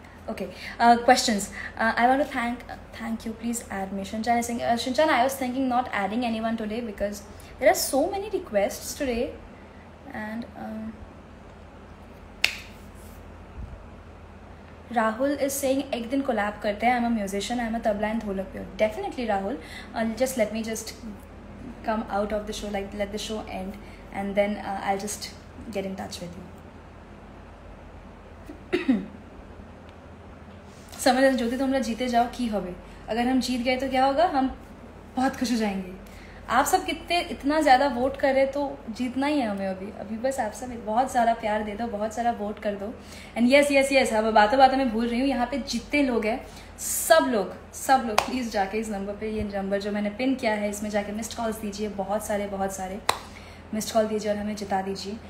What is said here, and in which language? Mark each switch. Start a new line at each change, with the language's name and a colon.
English: okay questions, I want to thank you please add me Shinchan Singh, Shinchan I was thinking not adding anyone today because there are so many request today and Rahul is saying
Hindi: एक दिन collab करते हैं,
English: I am a musician I am a tabla and dholak player, definitely Rahul just let me just come out of the show, like let the show end, and then I'll just get in touch with you.
Hindi: समय रहे ज्योति, तुम लोग जीते जाओ की होवे, अगर हम जीत गए तो क्या होगा, हम बहुत खुश हो जाएंगे. आप सब कितने इतना ज्यादा वोट कर रहे, तो जीतना ही है हमें अभी अभी. बस आप सब बहुत सारा प्यार दे दो, बहुत सारा वोट कर दो. एंड यस यस यस, अब बातों बातों में भूल रही हूँ, यहाँ पे जितने लोग हैं, सब लोग प्लीज जाके इस नंबर पे, ये नंबर जो मैंने पिन किया है, इसमें जाके मिस्ड कॉल्स दीजिए, बहुत सारे मिस्ड कॉल दीजिए और हमें जिता दीजिए.